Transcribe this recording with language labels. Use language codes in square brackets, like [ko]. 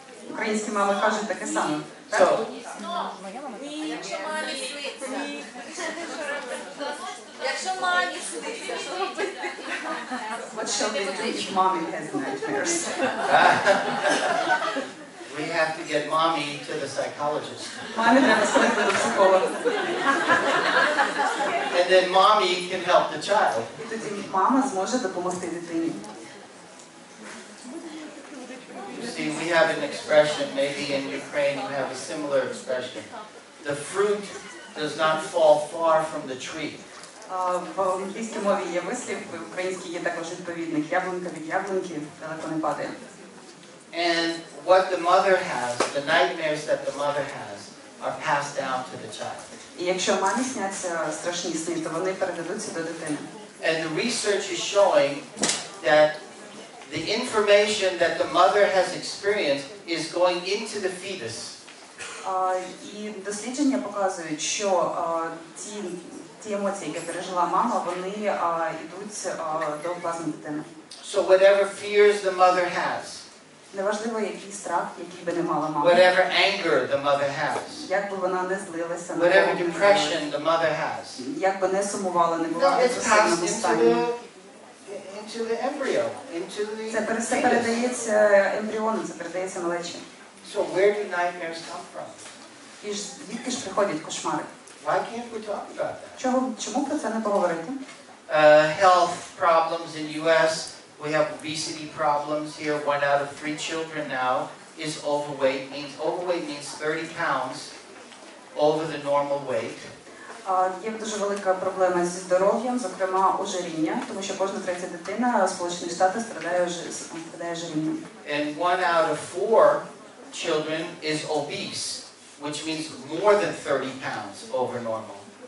[uk] Українські мами кажуть таке саме. [en] So, [uk] якщо мамі сниться, що робити? [en] What shall we do if mommy has nightmares? We have to get mommy to the psychologist. [uk] Мамі треба сходити до психолога. [en] And then mommy can help the child. [uk] Мама зможе допомогти дитині. [en] You see, we have an expression, maybe in Ukraine you have a similar expression. The fruit does not fall far from the tree. [uk] В англійській мові є вислів, в українській є також відповідник. Яблунка від яблунки далеко не падає. [en] And what the mother has, the nightmares that the mother has, are passed down to the child. [uk] І якщо мамі сняться страшні сни, то вони передадуться до дитини. [en] And the research is showing that the information that the mother has experienced is going into the fetus. [uk] І дослідження показують, що ті емоції, які пережила мама, вони йдуть до плазми дитини. [en] So whatever fears the mother has, [uk] неважливо, який страх, який би не мала мама. [en] Whatever anger the mother has. [uk] Як би вона не злилася. [en] Whatever depression the mother has. [uk] Як би не сумувала, не була в цьому стані. [en] Into the embryo, into the fetus. [uk] Це все передається ембріону, це передається млечі. [en] So where do nightmares come from? [uk] І звідки ж приходять кошмари? [en] Why can't we talk about that? [uk] Чому про це не поговорити? [en] Health problems in US. We have obesity problems here. One out of three children now is overweight. Overweight means 30 pounds over the normal weight. [uk] Є дуже велика проблема зі здоров'ям, зокрема ожиріння, тому що кожна третя дитина в Сполучених Штатах страждає ожирінням. [en] And one out of four children is obese, which means more than 30 pounds over normal.